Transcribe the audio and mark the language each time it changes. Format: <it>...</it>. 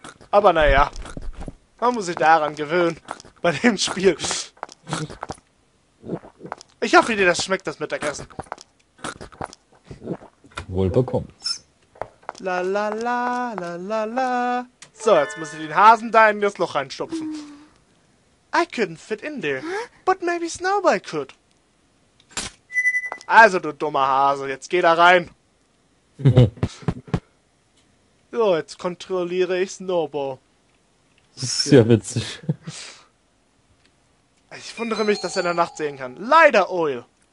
<de>Aber naja, man muss sich daran gewöhnen, bei dem Spiel. Ich hoffe, dir das schmeckt, das Mittagessen. Wohl bekommt's. La la la la la la. So, jetzt muss ich den Hasen da in das Loch reinstopfen.</de> <en>I couldn't fit in there, but maybe Snowball could.</en> <de>Also, du dummer Hase, jetzt geh da rein. So, jetzt kontrolliere ich Snowball. Das ist sehr witzig. Ich wundere mich, dass er in der Nacht sehen kann. Leider, Oil.</de>